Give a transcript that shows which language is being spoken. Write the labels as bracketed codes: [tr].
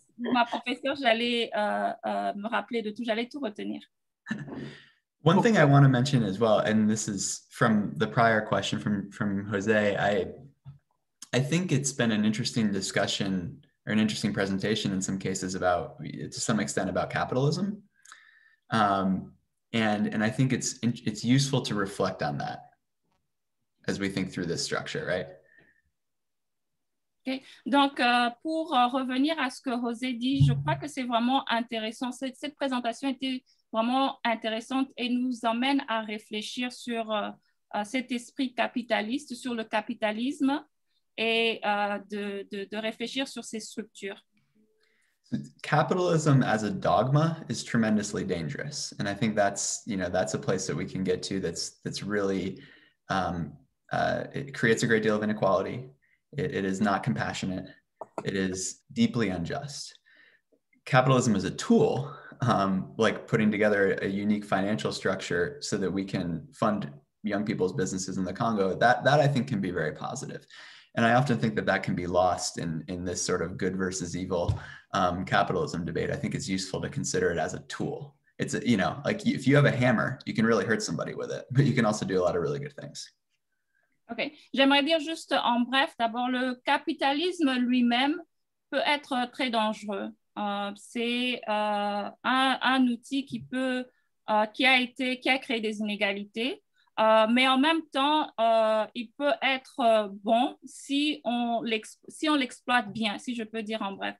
[fr] ma professeure, j'allais me rappeler de tout, j'allais tout retenir. [en] One thing I want to mention as well, and this is from the prior question from Jose, I think it's been an interesting discussion or an interesting presentation in some cases about, to some extent, about capitalism. And I think it's useful to reflect on that as we think through this structure, right? Okay. [fr] Donc, pour revenir à ce que José dit, je crois que c'est vraiment intéressant. Cette présentation était vraiment intéressante et nous emmène à réfléchir sur cet esprit capitaliste, sur le capitalisme et de réfléchir sur ces structures. [en] Capitalism as a dogma is tremendously dangerous. And I think that's, you know, that's a place that we can get to that's really, it creates a great deal of inequality. It is not compassionate. It is deeply unjust. Capitalism is a tool, like putting together a unique financial structure so that we can fund young people's businesses in the Congo. That I think can be very positive. And I often think that can be lost in this sort of good versus evil capitalism debate. I think it's useful to consider it as a tool. It's, you know, like if you have a hammer, you can really hurt somebody with it, but you can also do a lot of really good things. OK. [fr] J'aimerais dire juste en bref, d'abord, le capitalisme lui-même peut être très dangereux. C'est un outil qui peut, qui a créé des inégalités. Mais en même temps, il peut être bon si on l'exploite bien, si je peux dire en bref.